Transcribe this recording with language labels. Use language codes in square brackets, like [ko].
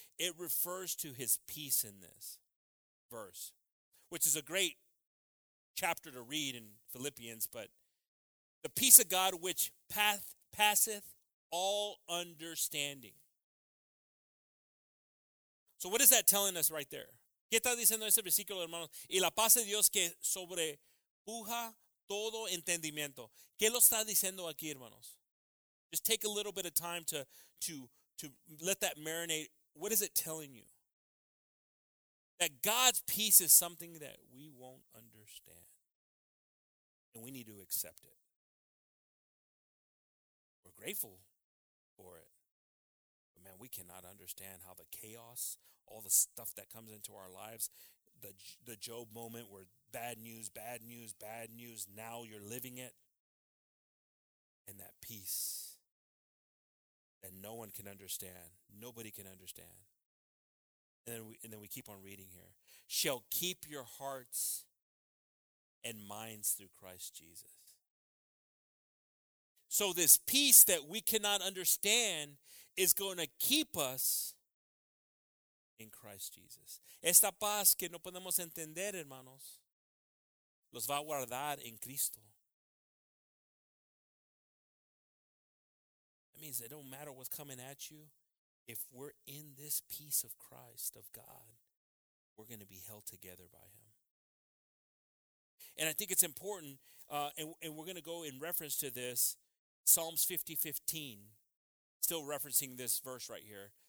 [en] It refers to His peace in this verse, which is a great chapter to read in Philippians. But the peace of God, which passeth all understanding. So what is that telling us right there? [es] ¿Qué está diciendo ese versículo, hermanos? Y la paz de Dios que sobre puja todo entendimiento. ¿Qué lo está diciendo aquí, hermanos? [en] Just take a little bit of time to let that marinate. What is it telling you? That God's peace is something that we won't understand. And we need to accept it. We're grateful for it. But man, we cannot understand how the chaos, all the stuff that comes into our lives, the Job moment where bad news, bad news, bad news, now you're living it. And that peace that no one can understand. Nobody can understand. And then we keep on reading here. Shall keep your hearts and minds through Christ Jesus. So this peace that we cannot understand is going to keep us in Christ Jesus. [es] Esta paz que no podemos entender, hermanos, los va a guardar en Cristo. [en] That means it don't matter what's coming at you. If we're in this peace of Christ, of God, we're going to be held together by him. And I think it's important, and we're going to go in reference to this, Psalms 50:15, still referencing this verse right here.